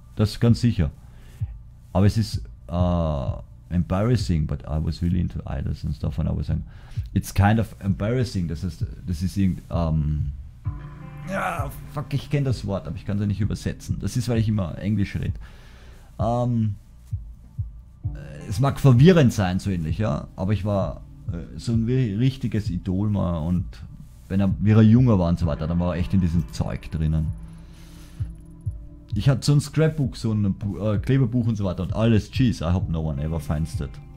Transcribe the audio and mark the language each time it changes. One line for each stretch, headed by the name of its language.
German: Das ist ganz sicher. Aber es ist
English: embarrassing, but I was really into idols and stuff when I was young. It's kind of embarrassing,
German: das ist irgendwie, ja, fuck, ich kenne das Wort, aber ich kann es ja nicht übersetzen. Das ist, weil ich immer Englisch rede. Es mag verwirrend sein, so ähnlich, ja. Aber ich war so ein richtiges Idol mal. Und wie er junger war und so weiter, dann war er echt in diesem Zeug drinnen. Ich hatte so ein Scrapbook, so ein Klebebuch und so weiter. Und alles,
English: jeez, I hope no one ever finds that.